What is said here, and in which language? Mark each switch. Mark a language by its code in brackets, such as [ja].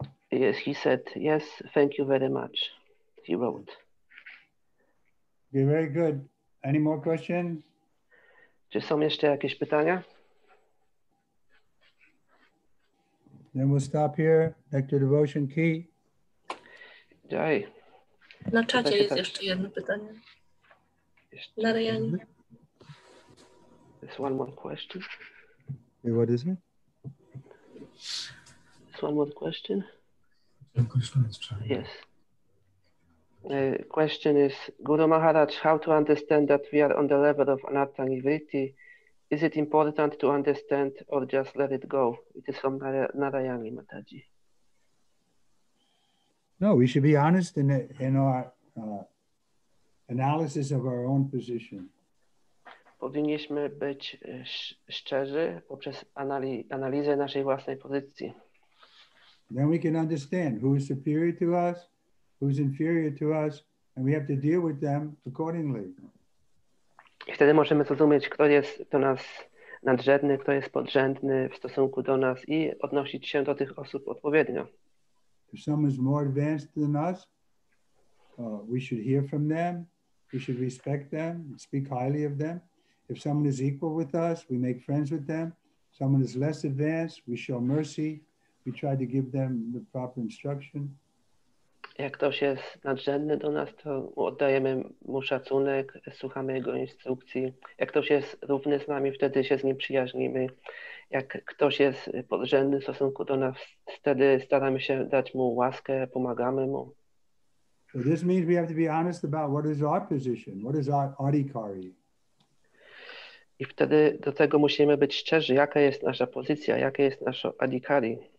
[en] Yes, he said, yes, thank you very much, he wrote. You're very good. Any more questions? [pl] Czy są jeszcze jakieś pytania? [en] Then we'll stop here. Nectar Devotion Key. Jai. [pl] Na czacie jest jeszcze jedno pytanie. Narayani. [en] There's one more question. Yeah, what is it? There's one more question. Yes. Question is, Guru Maharaj, how to understand that we are on the level of Anatta Nivritti? Is it important to understand or just let it go? It is from Narayani Mataji. No, we should be honest in our analysis of our own position. [pl] Powinniśmy być szczerzy poprzez analizę naszej własnej pozycji. [en] Then we can understand who is superior to us, who's inferior to us, and we have to deal with them accordingly. [pl] Wtedy możemy zrozumieć, kto jest do nas nadrzędny, kto jest podrzędny w stosunku do nas i odnosić się do tych osób odpowiednio. [en] If someone is more advanced than us, we should hear from them, we should respect them, speak highly of them. If someone is equal with us, we make friends with them. Someone is less advanced, we show mercy, we try to give them the proper instruction. [pl] Jak ktoś jest nadrzędny do nas, to oddajemy mu szacunek, słuchamy jego instrukcji. Jak ktoś jest równy z nami, wtedy się z nim przyjaźnimy. Jak ktoś jest podrzędny w stosunku do nas, wtedy staramy się dać mu łaskę, pomagamy mu. [en] So this means we have to be honest about what is our position, what is our adhikari. [pl] I wtedy do tego musimy być szczerzy, jaka jest nasza pozycja, jakie jest nasze adhikari.